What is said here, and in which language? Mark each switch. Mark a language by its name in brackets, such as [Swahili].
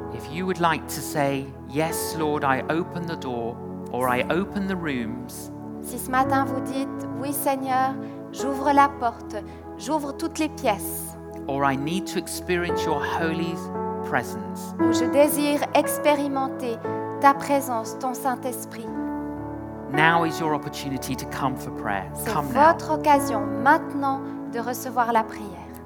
[English] You would like to say, yes, Lord, I open the door, or I open the rooms. [French] Si ce matin vous dites, oui, Seigneur, j'ouvre la porte, j'ouvre toutes les pièces. [English] Or I need to experience your holy presence. [French] Ou je désire expérimenter ta présence, ton Saint-Esprit. [English] Now is your opportunity to come for prayer. [French] C'est votre occasion maintenant de recevoir la prière.